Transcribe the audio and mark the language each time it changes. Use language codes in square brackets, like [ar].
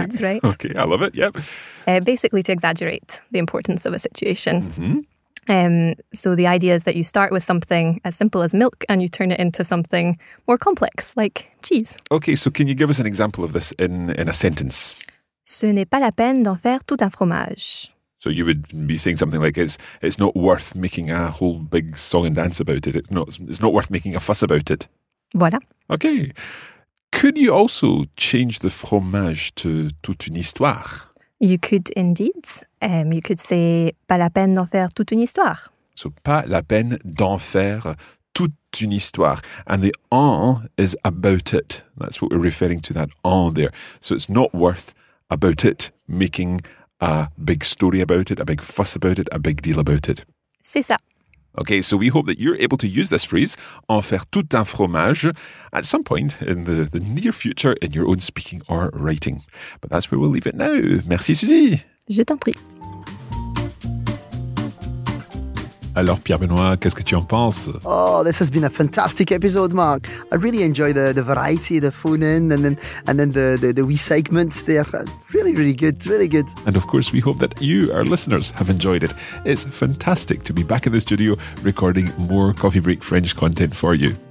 [en] That's right. Okay, I love it, yep. Basically to exaggerate the importance of a situation. Mm-hmm. So the idea is that you start with something as simple as milk and you turn it into something more complex, like cheese. Okay, so can you give us an example of this in a sentence? [fr] Ce n'est pas la peine d'en faire tout un fromage. [en] So you would be saying something like, it's not worth making a whole big song and dance about it. It's not worth making a fuss about it. [fr] Voilà. [en] Okay. Could you also change the fromage to [fr] toute une histoire? [en] You could indeed. You could say, [fr] pas la peine d'en faire toute une histoire. So, pas la peine d'en faire toute une histoire. [en] And the en is about it. That's what we're referring to, that en there. So it's not worth about it making a big story about it, a big fuss about it, a big deal about it. [fr] C'est ça. [en] Okay, so we hope that you're able to use this phrase, [fr] en faire tout un fromage, [en] at some point in the near future in your own speaking or writing. But that's where we'll leave it now. [fr] Merci, Suzy. Je t'en prie. Alors, Pierre-Benoît, qu'est-ce que tu en penses? [en] Oh, this has been a fantastic episode, Mark. I really enjoy the variety, the phone-in, and then the wee segments there. Really, really good, really good. And of course, we hope that you, our listeners, have enjoyed it. It's fantastic to be back in the studio recording more Coffee Break French content for you.